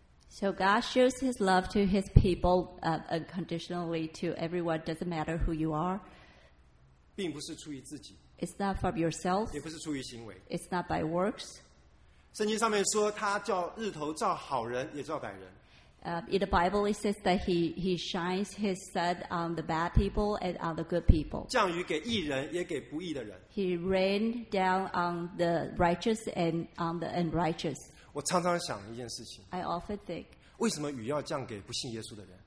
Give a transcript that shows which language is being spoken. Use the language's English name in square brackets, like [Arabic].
[English] So God shows His love to His people unconditionally to everyone. Doesn't matter who you are. [Chinese] 并不是出于自己。 [English] It's not from yourself. [Chinese] 也不是出于行为。 [English] It's not by works. [Chinese] 圣经上面说，他叫日头照好人，也照歹人。 [English] In the Bible, it says that he shines His sun on the bad people and on the good people. [Chinese] 降雨给义人，也给不义的人。 [English] He rained down on the righteous and on the unrighteous. [Chinese] 我常常想一件事情。 [English] I often think. [Chinese] 为什么雨要降给不信耶稣的人